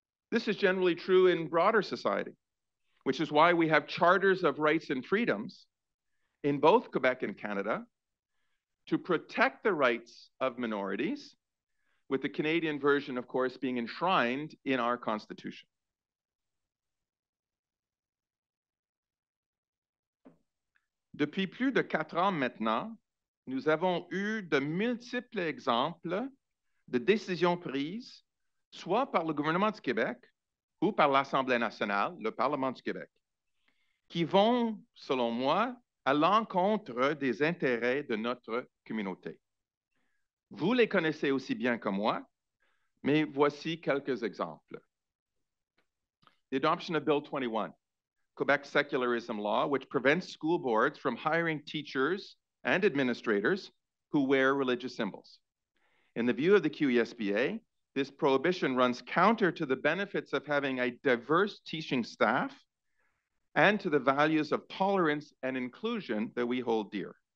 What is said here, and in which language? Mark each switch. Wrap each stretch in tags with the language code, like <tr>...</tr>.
<en>This is generally true in broader society, which is why we have charters of rights and freedoms in both Quebec and Canada to protect the rights of minorities, with the Canadian version, of course, being enshrined in our constitution.</en> <fr>Depuis plus de quatre ans maintenant, nous avons eu de multiples exemples de décisions prises, soit par le gouvernement du Québec ou par l'Assemblée nationale, le Parlement du Québec, qui vont, selon moi, à l'encontre des intérêts de notre communauté. Vous les connaissez aussi bien que moi, mais voici quelques exemples.</fr> <en>The adoption of Bill 21. Quebec secularism law, which prevents school boards from hiring teachers and administrators who wear religious symbols. In the view of the QESBA, this prohibition runs counter to the benefits of having a diverse teaching staff and to the values of tolerance and inclusion that we hold dear.</en>